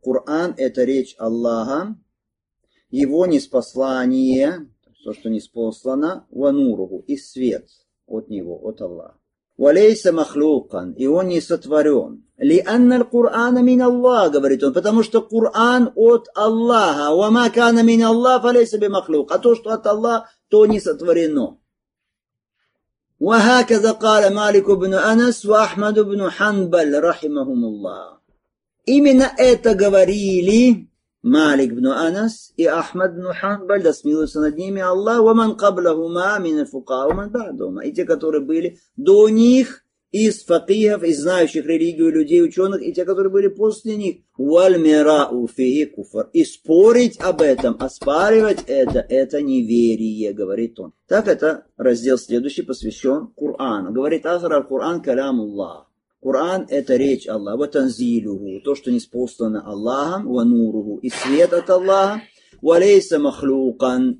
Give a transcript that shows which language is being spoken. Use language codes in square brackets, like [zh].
[ru] Коран — это речь Аллаха, его ниспослание, то, что ниспослано, ва нуру, и свет от него, от Аллаха. Валейса махлюкан, и он не сотворен. [ar] لأن القرآن من الله [ru] говорит он, потому что Коран от Аллаха. [ar] وما كان من الله فليس بمخلوق. [ru] А то, что от Аллаха, то не сотворено. [ar] وهكذا قال مالك بن أنس وأحمد بن حنبل رحمهم الله. [ru] Именно это говорили Малик бин Анас и Ахмад бин Ханбаль, да смилуется над ними Аллах, [ar] ومن قبلهما من الفقهاء ومن بعدهما. [ru] И те, которые были до них из факихов, из знающих религию людей, ученых, и те, которые были после них. [ar] وَالْمِرَاءُ فِيهِ куфр. [ru] И спорить об этом, оспаривать это неверие, говорит он. Так это раздел следующий, посвящен Корану. Говорит Азра, Коран каляму Аллах. Коран это речь Аллаха. [ar] وَتَنْزِيلُهُ. [ru] То, что ниспослано Аллахом. [ar] وَنُورُهُ. [ru] И свет от Аллаха. [ar] وَلَيْسَ مَخْلُوقًا.